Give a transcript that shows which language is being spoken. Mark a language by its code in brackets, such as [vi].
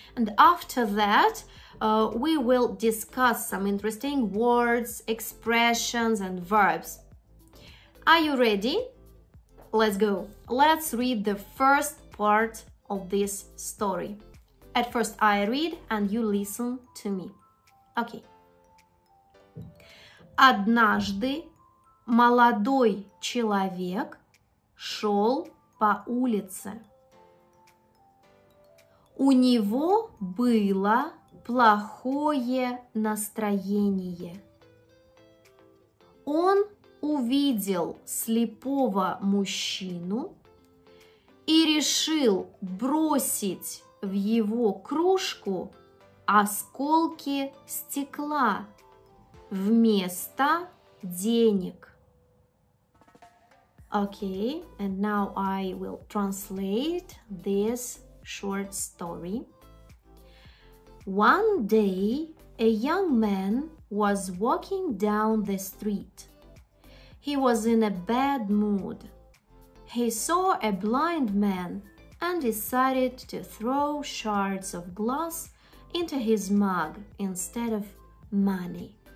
[en] And after that, we will discuss some interesting words, expressions, and verbs. Are you ready? Let's go. Let's read the first part of this story. At first, I read and you listen to me. Okay. [ru] Однажды молодой человек шел по улице. У него было плохое настроение. Он увидел слепого мужчину и решил бросить в его кружку осколки стекла вместо денег. [en] Okay, and now I will translate this short story. One day a young man was walking down the street. He was in a bad mood. He saw a blind man and decided to throw shards of glass into his mug instead of money.